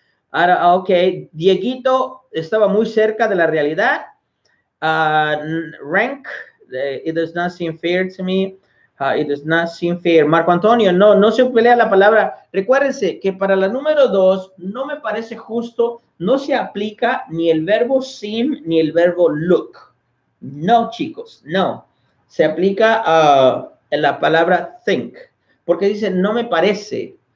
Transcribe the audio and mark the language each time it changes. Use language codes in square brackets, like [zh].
[es] Ahora, ok, Dieguito estaba muy cerca de la realidad. [en] Rank, it does not seem fair to me. It does not seem fair. Marco Antonio, [es] no se pelea la palabra. Recuérdense que para la número dos, no me parece justo, no se aplica ni el verbo seem ni el verbo look. No, chicos, no. Se aplica en la palabra think, porque dice no me parece.